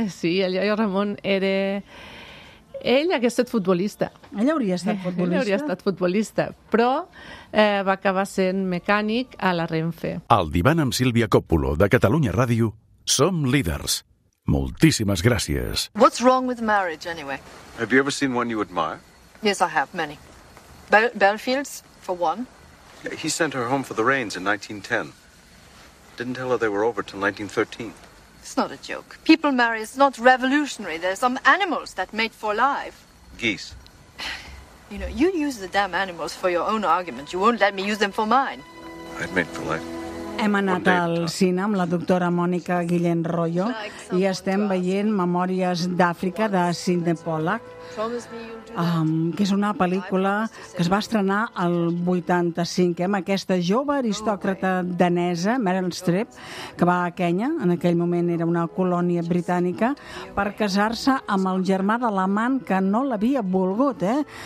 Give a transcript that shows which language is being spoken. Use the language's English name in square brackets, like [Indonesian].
[Catalan] Sí, el iaio Ramon era... Ell hauria estat futbolista. Ell hauria estat futbolista? Ell hauria estat futbolista, però va acabar sent mecànic a la Renfe. El divan amb Sílvia Coppolo, de Catalunya Ràdio, som líders. Moltíssimes gràcies. [English] What's wrong with marriage, anyway? Have you ever seen one you admire? Yes, I have, many. Belfield's, for one. He sent her home for the rains in 1910. Didn't tell her they were over till 1913. It's not a joke. People marry, it's not revolutionary. There's some animals that mate for life. Geese. You know, you use the damn animals for your own argument. You won't let me use them for mine. I'd mate for life. [Catalan] Hem anat al cine amb la doctora Mònica Guillén-Royó i estem veient Memòries d'Àfrica de Sidney Pollack, que és una pel·lícula que es va estrenar el 85, amb aquesta jove aristòcrata danesa, Meryl Streep, que va a Kenya, en aquell moment era una colònia britànica, per casar-se amb el germà de l'amant que no l'havia volgut, eh?